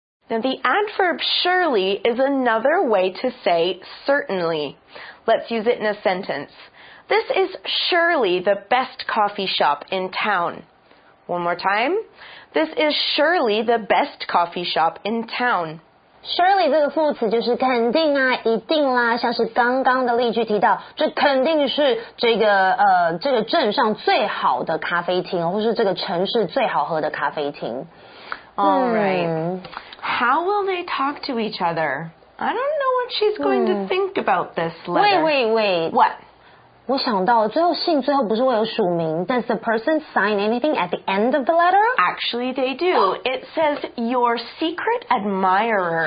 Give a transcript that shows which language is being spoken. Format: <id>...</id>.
<en>Now, the adverb surely is another way to say certainly. Let's use it in a sentence. This is surely the best coffee shop in town. One more time. This is surely the best coffee shop in town.</en> <zh>Surely 这个副词就是肯定啊，一定啦。像是刚刚的例句提到，这肯定是这个镇上最好的咖啡厅，或是这个城市最好喝的咖啡厅。</zh> <en>All right. How will they talk to each other? I don't know what she's going to think about this letter. Wait. What?</en> <zh>我想到最后信最后不是会有署名</zh> <en>Does the person sign anything at the end of the letter? Actually, they do. It says your secret admirer.</en>